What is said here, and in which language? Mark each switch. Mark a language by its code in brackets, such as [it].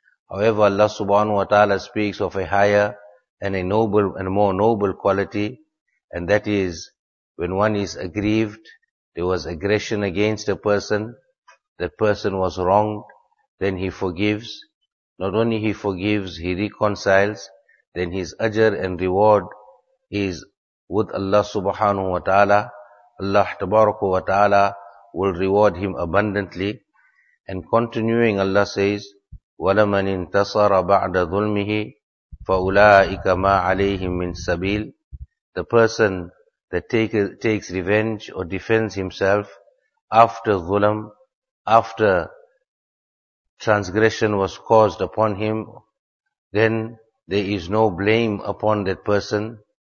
[en] However, Allah subhanahu wa ta'ala speaks of a higher and a noble and more noble quality, and that is when one is aggrieved, there was aggression against a person, that person was wronged, then he forgives. Not only he forgives, he reconciles, then his ajr and reward is with Allah subhanahu wa ta'ala. Allah tabaraka wa ta'ala will reward him abundantly. And continuing, Allah says, [ar] وَلَمَنْ انْتَصَرَ بَعْدَ ظُلْمِهِ فَأُولَٰئِكَ مَا عَلَيْهِمْ مِنْ سَبِيلٍ. [en] The person that takes revenge or defends himself after dhulam, after transgression was caused upon him, then there is no blame upon that person.